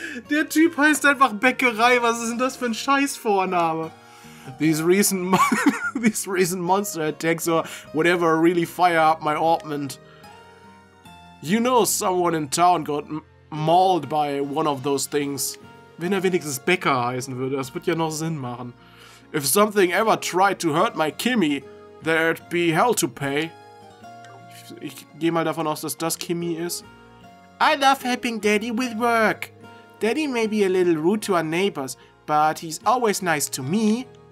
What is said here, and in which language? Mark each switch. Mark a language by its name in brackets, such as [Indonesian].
[German] Der Typ heißt einfach Bäckerei. Was ist denn das für ein Scheiß-Vorname? [English] These recent monster attacks or whatever really fire up my ointment. You know someone in town got mauled by one of those things. [German] Wenn wenigstens Bäcker heißen würde, das würde ja noch Sinn machen. [English] If something ever tried to hurt my Kimmy, there'd be hell to pay. [German] Ich gehe mal davon aus, dass das Kimmy ist. [English] I love helping Daddy with work. Daddy may be a little rude to our neighbors, but he's always nice to me.